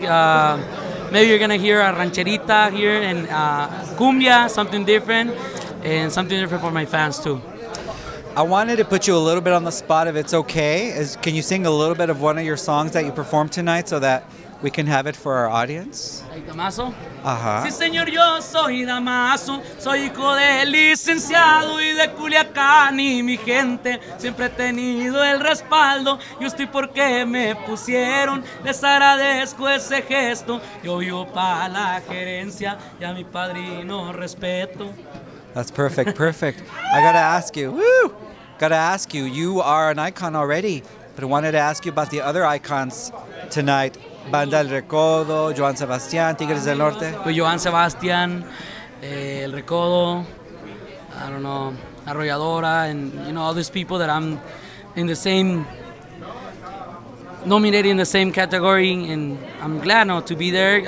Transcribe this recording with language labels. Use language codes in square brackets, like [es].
[en] Maybe you're going to hear a rancherita here and cumbia, something different. And something different for my fans, too. I wanted to put you a little bit on the spot, if it's okay. Can you sing a little bit of one of your songs that you performed tonight so that we can have it for our audience? Damaso? Uh-huh. [es] Sí, señor, yo soy Damaso. Soy hijo de licenciado y de Culiacán. Y mi gente siempre he tenido el respaldo. Yo estoy porque me pusieron. Les agradezco ese gesto. Yo vivo para la gerencia y a mi padrino respeto. [en] That's perfect, perfect. I gotta ask you, woo! Gotta ask you, you are an icon already, but I wanted to ask you about the other icons tonight. Banda El Recodo, Joan Sebastian, Tigres del Norte. With Joan Sebastian, El Recodo, I don't know, Arrolladora, and you know, all these people that I'm in the same, nominated in the same category, and I'm glad now to be there.